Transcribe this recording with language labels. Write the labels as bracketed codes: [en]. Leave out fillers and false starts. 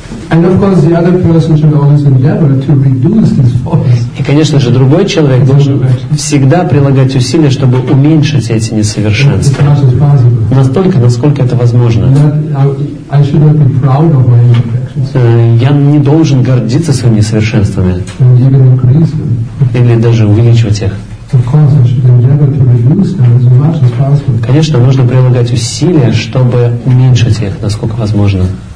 [en] And of course, the other person should always endeavor to reduce this voice. [ru] И, конечно же, другой человек должен всегда прилагать усилия, чтобы уменьшить эти несовершенства настолько, насколько это возможно. [en] I should not be proud of my imperfections. [ru] Я не должен гордиться своими несовершенствами. [en] And even increase them. [ru] Или даже увеличивать их. [en] Of course, I should endeavor to reduce them as much as possible. [ru] Конечно, нужно прилагать усилия, чтобы уменьшить их, насколько возможно.